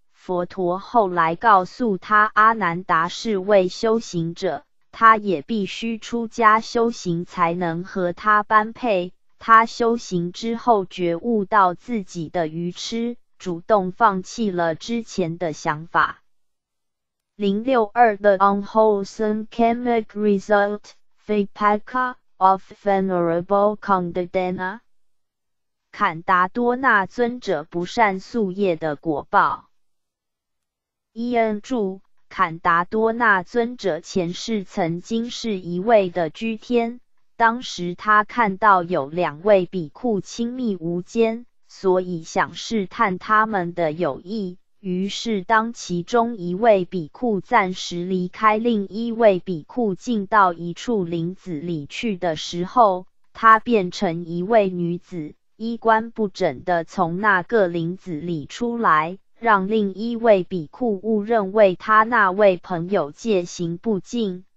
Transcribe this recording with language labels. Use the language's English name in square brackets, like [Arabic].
[Chinese] 佛陀后来告诉他，阿难达是位修行者，他也必须出家修行才能和他般配。他修行之后觉悟到自己的愚痴，主动放弃了之前的想法。 [English] 062 The unwholesome chemic result, Vipaka, of Venerable Kandadena [Chinese] 坎达多纳尊者不善宿业的果报。伊恩注：坎达多纳尊者前世曾经是一位的居天，当时他看到有两位比库亲密无间，所以想试探他们的友谊。于是当其中一位比库暂时离开另一位比库进到一处林子里去的时候，他变成一位女子，衣冠不整地从那个林子里出来，让另一位比库误认为他那位朋友戒行不净。